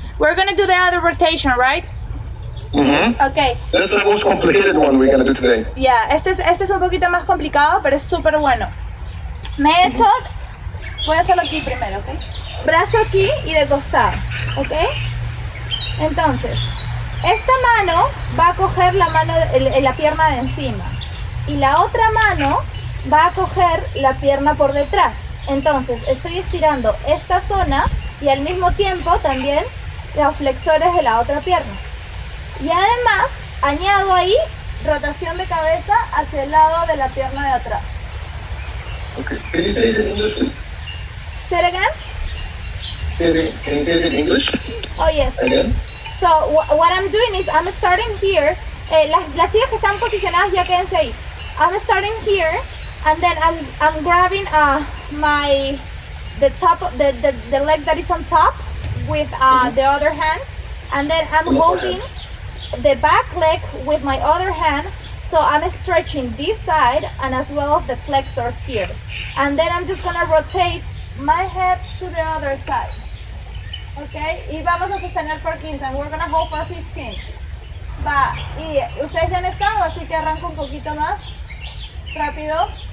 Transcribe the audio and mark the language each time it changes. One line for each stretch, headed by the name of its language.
English: We're going to do the other rotation, right? Mm-hmm. Ok. This is the most complicated one we're going to do today.
Spanish: Yeah, este es un poquito más complicado, pero es súper bueno. Me he hecho. Voy a hacerlo aquí primero, ok. Brazo aquí y de costado, ok. Entonces, esta mano va a coger la mano, la pierna de encima. Y la otra mano va a coger la pierna por detrás. Entonces, estoy estirando esta zona y al mismo tiempo también los flexores de la otra pierna. Y además, añado ahí rotación de cabeza hacia el lado de la pierna de atrás.
English: Okay. Can you say it in English? Say it again? Can you say it in English? Oh, yes. Again? So, what I'm doing is, I'm starting here.
Spanish: Las chicas que están posicionadas, ya quédense ahí.
English: I'm starting here. And then I'm grabbing the leg that is on top with the other hand, and then I'm holding the back leg with my other hand. So I'm stretching this side and as well the flexors here, and then I'm just gonna rotate my head to the other side.
Spanish: Okay, y vamos a sostener por 15,
English: and we're gonna hold for 15.
Spanish: Va, y ustedes ya han estado, así que arranco un poquito más rápido.